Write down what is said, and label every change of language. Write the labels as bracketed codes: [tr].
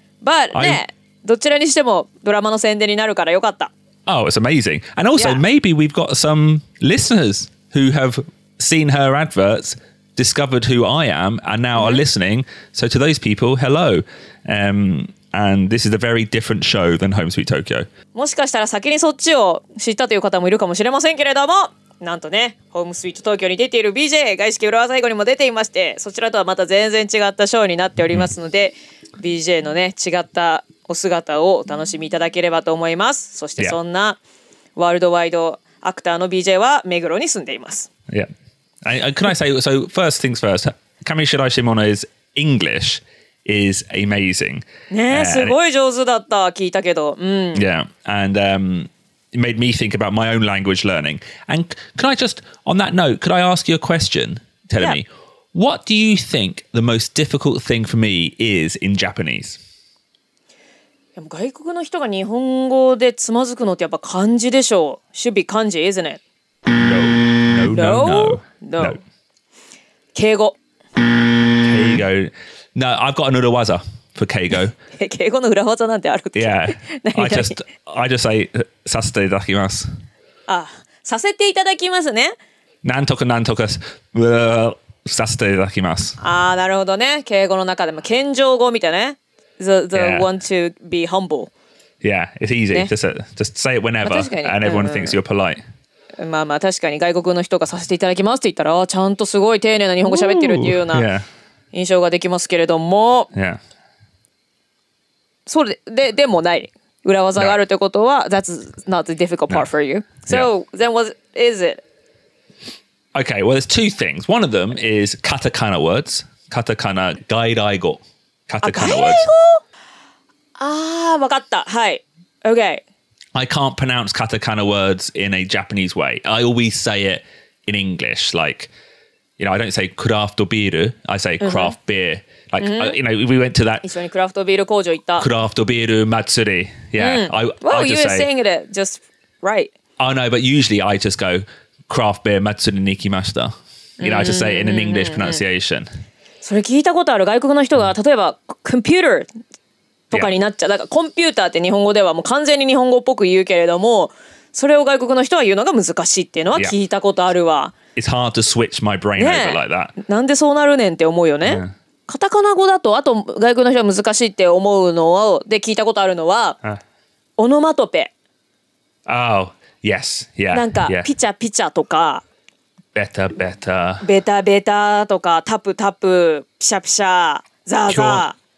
[ja] But, ね、どちらにしてもドラマの宣伝になるからよかった。 [en] Oh, it's amazing. And also, maybe we've got some listeners who have seen her adverts, discovered who I am, and now are listening. So to those people, hello. And this is a very different show than Home Sweet Tokyo. [ja] もしかしたら先にそっちを知ったという方もいるかもしれませんけれども、なんとね、Home Sweet Tokyo に出ている BJ、外資系裏技英語にも出ていまして、そちらとはまた全然違ったショーになっておりますので、BJ のね、違ったお姿をお楽しみいただければと思います。そしてそんなワールドワイドアクターの BJ は目黒に住んでいます。 [en] Yeah. Can I say, so first things first, Kamishiraishi Mono is English. Is amazing. [ja] すごい上手だった聞いたけど、 [en] Yeah, and it made me think about my own language learning. And can I just, on that note, could I ask you a question, Telemi? Yeah. What do you think the most difficult thing for me is in Japanese? [ja] でも外国の人が日本語でつまずくのってやっぱ漢字でしょう。 [en] Should be 漢字, isn't it? No. [ja] 敬語. [en] There you go. No, I've got another 技 for Keigo. [ja] Keigo の裏技なんてあるっけ? [en] Yeah, I just say, [ja] させていただきます。あ、させていただきますね。なんとかなんとか、させていただきます。あ、なるほどね。Keigo の中でも謙譲語みたいね。 [en] The one to be humble. Yeah, it's easy.、ね、just say it whenever,、まあ、and everyone thinks you're polite. [ja] まあまあ確かに外国の人がさせていただきますって言ったら、ちゃんとすごい丁寧な日本語喋ってるっていうような。印象ができますけれども、そうででもない裏技があるということは、 [en] that's not the difficult part for you. So then, what is it? Okay, well, there's two things. One of them is katakana words, katakana gairai go, katakana words. [ja] ああ、わかった。はい。Okay. [en] I can't pronounce katakana words in a Japanese way. I always say it in English, like. You know, I don't say craft beer, I say craft beer. Like, you know, we went to that... [ja] 一緒にクラフトビール工場行った。クラフトビール祭り。Yeah, [en] Well, you were saying it just right. Oh, no, but usually I just go craft beer [ja] 祭りに行きました。 [en] You know, I just say it in an English pronunciation. [ja] それ聞いたことある外国の人が、例えば computer とかになっちゃう。だからコンピューターって日本語ではもう完全に日本語っぽく言うけれども、それを外国の人は言うのが難しいっていうのは聞いたことあるわ。 [en] It's hard to switch my brain over like that. [ja] なんでそうなるねんって思うよね。カタカナ語だとあと外国の人は難しいって思うのをで聞いたことあるのはオノマトペ。 [en] Oh, yes, yeah. [ja] なんかピチャピチャとかベタベタベタベタとかタプタプピシャピシャザーザー。